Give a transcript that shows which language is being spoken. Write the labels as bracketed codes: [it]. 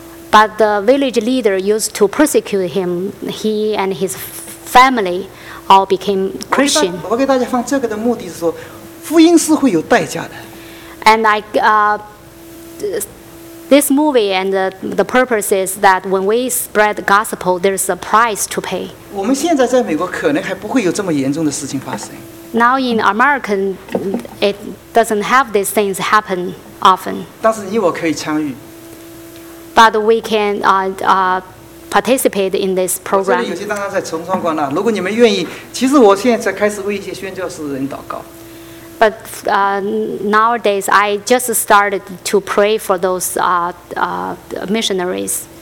[en] But the village leader used to persecute him. He and his family all became Christian. [zh] 我给大家放这个的目的是说，福音是会有代价的。 [en] And I, this movie and the purpose is that when we spread the gospel, there's a price to pay. [zh] 我们现在在美国可能还不会有这么严重的事情发生。 [en] Now in America, it doesn't have these things happen often. [zh] 但是你我可以参与。 [en] But we can participate in this program. [zh] 我这里有些刚刚在重装过，如果你们愿意，其实我现在开始为一些宣教士人祷告。 [en] But nowadays, I just started to pray for those missionaries.